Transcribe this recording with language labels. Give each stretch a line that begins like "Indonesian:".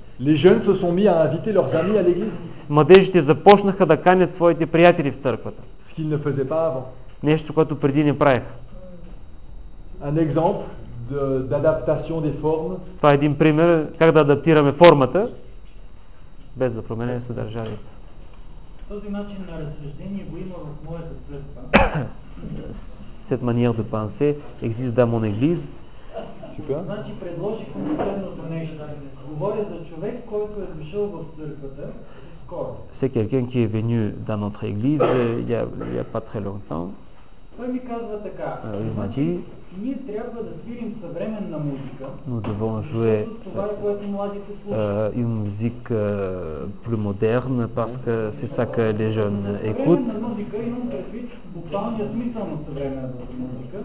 French: Les jeunes se sont mis à inviter leurs amis à l'église.
Bulgarian: Младежите започнаха да канят своите приятели в църквата.
French: Ce qu'ils ne faisaient pas avant.
Bulgarian: Нещо, което преди не правих.
French: Un exemple d'adaptation des formes.
Bulgarian: Това е един пример как да адаптираме формата без да променяме съдържанието. Този начин на разсъждение го има в моята църква.
French: Cette manière de penser existe dans mon église. Super.
Bulgarian: Значи предложих следното нещо. Говоря за човек, който е дошъл в църквата скоро.
French: C'est quelqu'un qui est venu dans notre église il y a pas très longtemps.
Bulgarian: Той ми казва така. Ние трябва да свирим съвременна музика.
French: Nous devons jouer.
Bulgarian: Това е което младите слушат.
French: Une musique plus moderne parce que c'est ça que les jeunes écoutent.
Bulgarian: Съвременна музика, имам предвид буквалния смисъл на съвременната музика.